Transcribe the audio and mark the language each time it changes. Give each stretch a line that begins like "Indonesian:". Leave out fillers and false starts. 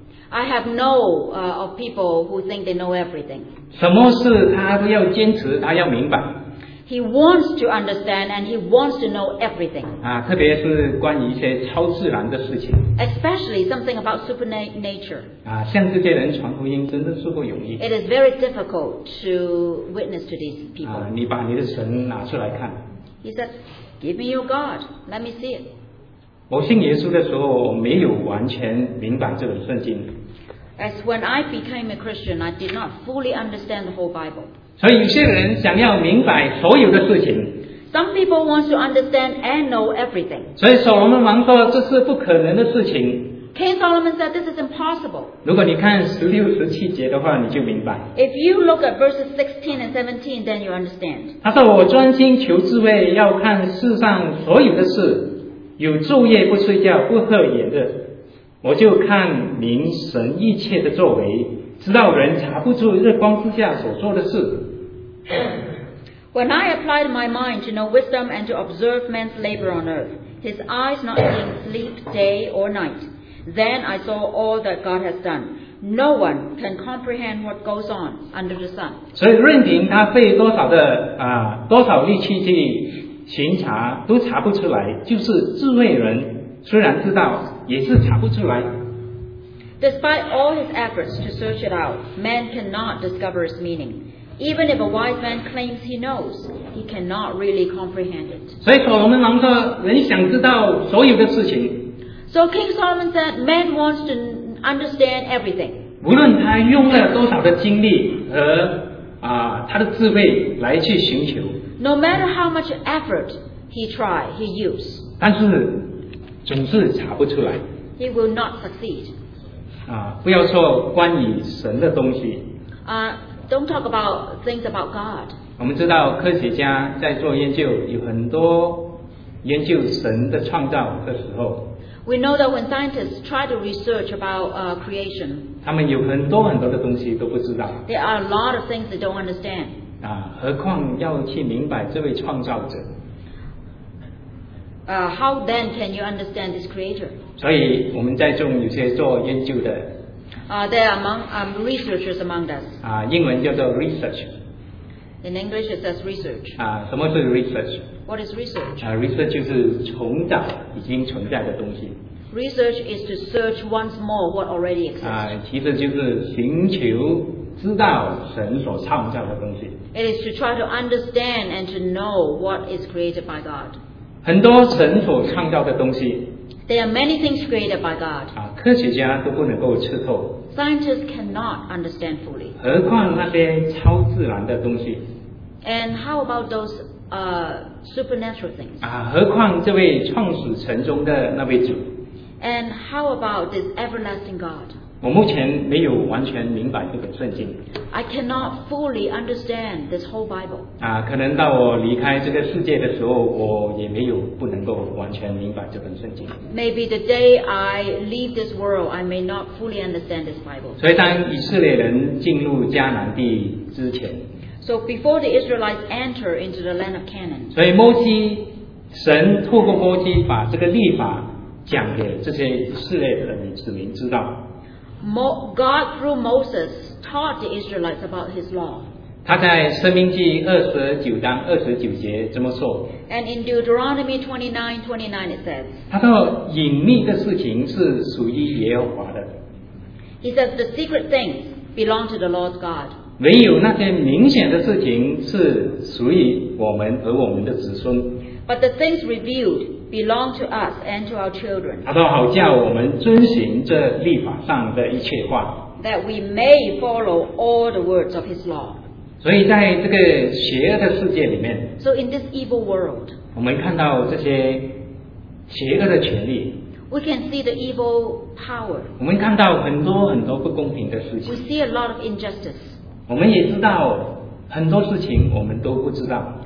English: I have no of people who think they know everything.
Chinese: 什么事他都要坚持，他要明白。
English: He wants to understand and he wants to know everything.
Chinese: 啊，特别是关于一些超自然的事情。
English: Especially something about supernature.
Chinese: 啊，向这些人传福音真的是不容易。
English: It is very difficult to witness to these people.
Chinese: 啊，你把你的神拿出来看。
English: He said, "Give me your God. Let me see it."
Chinese: 我信耶稣的时候，我没有完全明白这本圣经。
English: As when I became a Christian, I did not fully understand the whole Bible.
Chinese: 所以有些人想要明白所有的事情。
English: Some people want to understand and know everything.
Chinese: 所以所罗门王说这是不可能的事情。
English: King Solomon said this is impossible.
Chinese: 如果你看十六十七节的话，你就明白。
English: If you look at verses 16 and 17, then you understand.
Chinese: 他说我专心求智慧，要看世上所有的事，有昼夜不睡觉不合眼的。我就看明神一切的作为，知道人查不出日光之下所做的事。
English: When I applied my mind to know wisdom and to observe man's labor on earth, his eyes not seeing sleep day or night, then I saw all that God has done. No one can comprehend what goes on under the sun.
Chinese: 所以任凭他费多少的啊多少力气去寻查，都查不出来，就是智慧人。虽然知道，也是查不出来。
English: Despite all his efforts to search it out, man cannot discover its meaning. Even if a wise man claims he knows, he cannot really comprehend it.
Chinese: 所以所罗门王说，人想知道所有的事情。
English: So King Solomon said, man wants to understand everything.
Chinese: 无论他用了多少的精力和啊他的智慧来去寻求。
English: No matter how much effort he tried, he used.
Chinese: 但是总是查不出来。
English: He will not succeed.
Chinese: 啊，不要说关于神的东西。
English: Don't talk about things about God.
Chinese: 我们知道科学家在做研究，有很多研究神的创造的时候。
English: We know that when scientists try to research about creation,
Chinese: 他们有很多很多的东西都不知道。
English: There are a lot of things they don't understand.
Chinese: 啊，何况要去明白这位创造者。
English: How then can you understand this creator?
Chinese: 所以我们在中有些做研究的。
English: There are among researchers among us.
Chinese: 啊，英文叫做 research.
English: In English, it says research.
Chinese: 啊，什么是 research?
English: What is research?
Chinese: 啊 ，research 就是重找已经存在的东西。
English: Research is to search once more what already exists.
Chinese: 啊，其实就是寻求知道神所创造的东西。
English: It is to try to understand and to know what is created by God.
Chinese: 很多神所创造的东西
English: There are many things created by God.
Chinese: 啊，科学家都不能够吃透。
English: Scientists cannot understand fully.
Chinese: 何况那些超自然的东西
English: And how about those supernatural things?
Chinese: 啊，何况这位创始神中的那位主
English: And how about this everlasting God?
Chinese: 我目前没有完全明白这本圣经。
English: I cannot fully understand this whole Bible.
Chinese: 啊，可能到我离开这个世界的时候，我也没有不能够完全明白这本圣经。
English: Maybe the day I leave this world, I may not fully understand this Bible.
Chinese: 所以当以色列人进入迦南地之前
English: ，So before the Israelites enter into the land of Canaan.
Chinese: 所以摩西，神透过摩西把这个律法讲给这些以色列的子民知道。
English: God through Moses taught the Israelites about his law.
Chinese: 他在《申命记》29章29节这么说。
English: And in Deuteronomy 29:29 it says.
Chinese: 他说隐秘的事情是属于耶和华的。
English: He says the secret things belong to the Lord God.
Chinese: 唯有那些明显的事情是属于我们和我们的子孙。
English: But the things revealed. Belong to us and to our children.
Chinese: 他说：“好叫我们遵循这律法上的一切话。”
English: That we may follow all the words of His law.
Chinese: 所以，在这个邪恶的世界里面
English: ，So in this evil world,
Chinese: 我们看到这些邪恶的权力
English: We can see the evil power.
Chinese: 我们看到很多很多不公平的事情
English: We see a lot of injustice.
Chinese: 我们也知道很多事情我们都不知道。